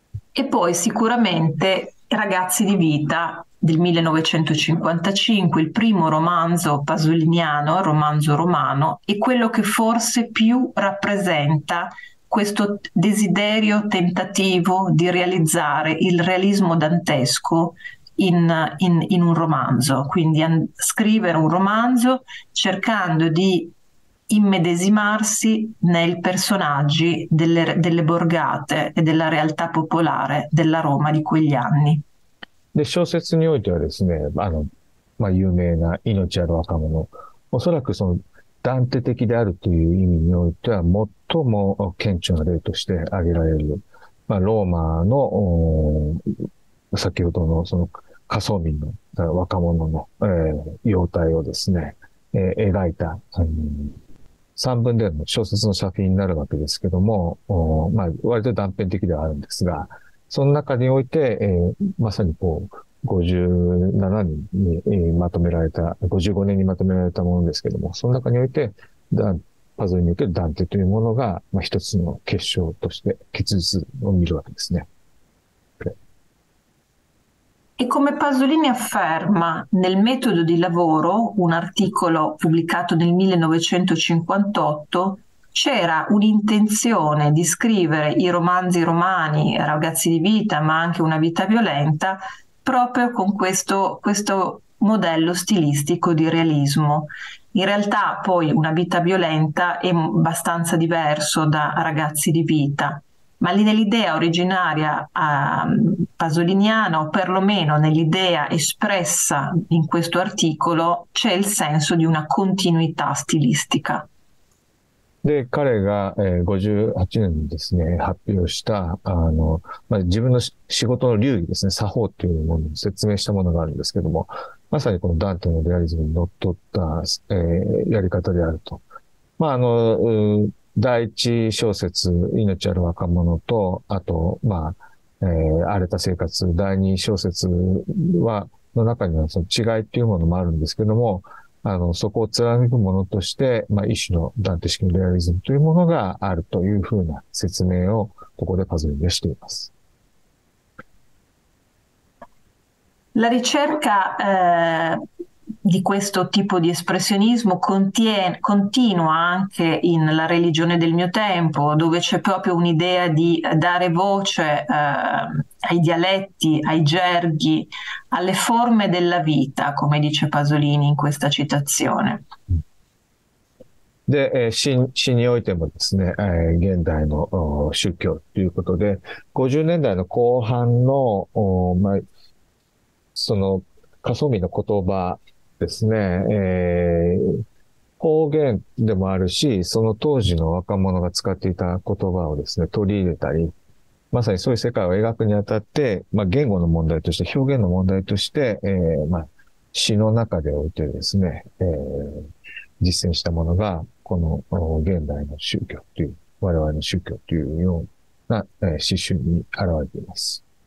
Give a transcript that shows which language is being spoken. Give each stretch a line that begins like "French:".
Italian: E poi sicuramente Ragazzi di vita del 1955, il primo romanzo pasoliniano, romanzo romano, è quello che forse più rappresenta questo desiderio tentativo di realizzare il realismo dantesco in un romanzo. Quindi scrivere un romanzo cercando di immedesimarsi nei personaggi delle borgate e della realtà popolare della Roma di quegli anni.
Japanese: で、小説においてはですね、まあ、有名な命ある若者。おそらくそのダンテ的であるという意味においては、最も顕著な例として挙げられる。まあ、ローマの、先ほどのその下層民の若者の、様態をですね、描いた、三分での小説の作品になるわけですけども、まあ、割と断片的ではあるんですが、その中において、まさにこう、55年にまとめられたものですけども、その中において、パズルにおけるダンテというものが、まあ、一つの結晶として結実を見るわけですね。
Italian: E come Pasolini afferma nel Metodo di Lavoro, un articolo pubblicato nel 1958, c'era un'intenzione di scrivere i romanzi romani, Ragazzi di vita, ma anche Una vita violenta, proprio con questo modello stilistico di realismo. In realtà, poi, Una vita violenta è abbastanza diverso da Ragazzi di vita. Ma nell'idea originaria pasoliniana, o perlomeno nell'idea espressa in questo articolo, c'è il senso di una continuità stilistica.
Japanese: で、彼が、58年にですね、発表した、まあ、自分の仕事の流儀ですね、作法っていうものを説明したものがあるんですけども、まさにこのダンテのリアリズムに則った、やり方であると。まあ、第一小説、命ある若者と、あと、まあ、荒れた生活、第二小説は、の中にはその違いっていうものもあるんですけども、そこを貫くものとして、まあ、一種のダンテ式のリアリズムというものがあるというふうな説明をここでパズルにしています。
Italian: La ricerca, di questo tipo di espressionismo continua anche in La religione del mio tempo, dove c'è proprio un'idea di dare voce, ai dialetti, ai gerghi, alle forme della vita, come dice Pasolini in questa citazione.
Japanese: で、死においてもですね、現代の宗教ということで、50年代の後半の、まあ、その仮想民の言葉ですね、方言でもあるし、その当時の若者が使っていた言葉をですね、取り入れたり、まさにそういう世界を描くにあたって、まあ、言語の問題として、表現の問題として、まあ、詩の中でおいてですね、実践したものが、この現代の宗教という、我々の宗教というような詩集に現れています。